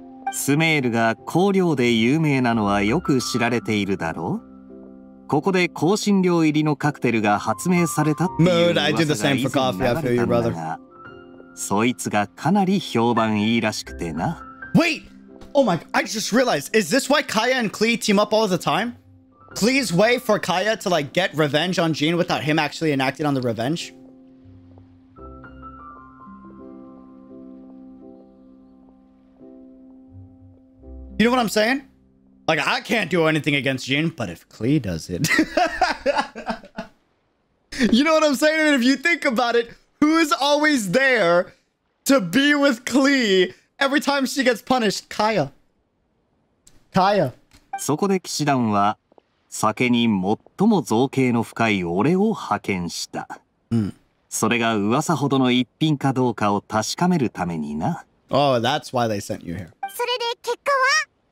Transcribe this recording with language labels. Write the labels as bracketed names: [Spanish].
[Japanese] スメールが香料で有名なのはよく知られているだろう。ここで香辛料入りのカクテルが発明されたっていう噂が以前流れたんだが、そいつがかなり評判いいらしくてな。 [English] Wait! Oh my god, I just realized, is this why Kaya and Klee team up all the time? Klee's way for Kaya to like get revenge on Jean without him actually enacting on the revenge? You know what I'm saying? Like, I can't do anything against Jean, but if Klee does it... you know what I'm saying? And if you think about it, who is always there to be with Klee every time she gets punished? Kaya. Kaya. [Japanese] そこで騎士団は、酒に最も造形の深い俺を派遣した。それが噂ほどの一品かどうかを確かめるためにな。 [English] Oh, that's why they sent you here. [Japanese] それで結果は?